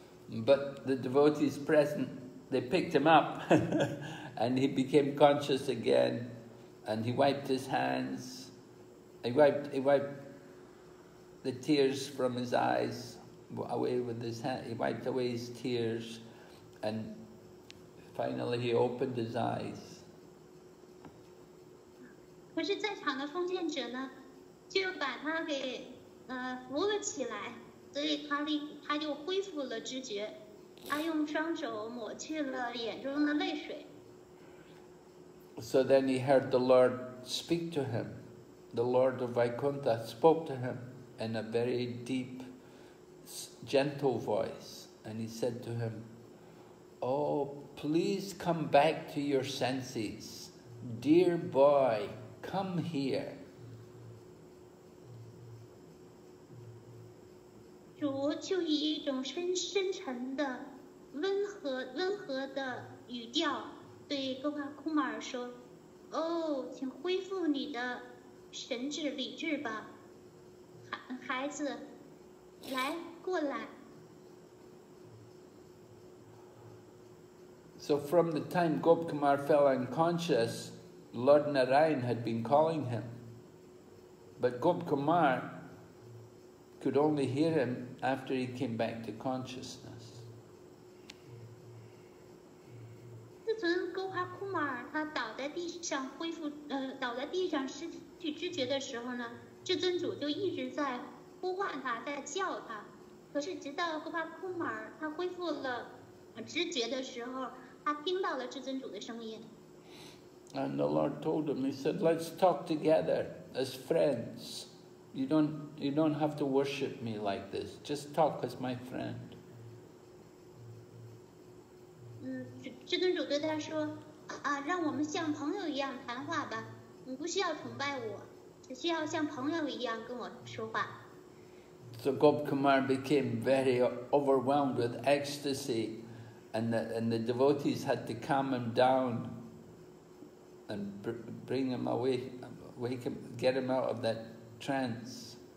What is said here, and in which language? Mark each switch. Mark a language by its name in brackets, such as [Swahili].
[English] But the devotees present, they picked him up and he became conscious again, and he wiped his hands, he wiped the tears from his eyes away with his hand, he wiped away his tears, and finally he opened his eyes. [Chinese] 可是在场的奉献者呢，就把他给扶了起来，所以他就恢复了知觉，他用双手抹去了眼中的泪水。 [English] So then he heard the Lord speak to him. The Lord of Vaikuntha spoke to him in a very deep, gentle voice. And he said to him, "Oh, please come back to your senses. Dear boy, come here." [Chinese] 主就以一种深沉的温和的语调对哥巴库马尔说，哦，请恢复你的神智理智吧，孩子来过来。 [English] So from the time Gop Kumar fell unconscious, Lord Narayan had been calling him, but Gop Kumar could only hear him after he came back to consciousness. And the Lord told him, he said, "Let's talk together as friends. You don't have to worship me like this. Just talk as my friend." [Chinese] 至尊主对他说，让我们像朋友一样谈话吧，你不需要崇拜我，只需要像朋友一样跟我说话。 [English] So Gop Kumar became very overwhelmed with ecstasy, and the devotees had to calm him down and bring him away, wake him, get him out of that trance.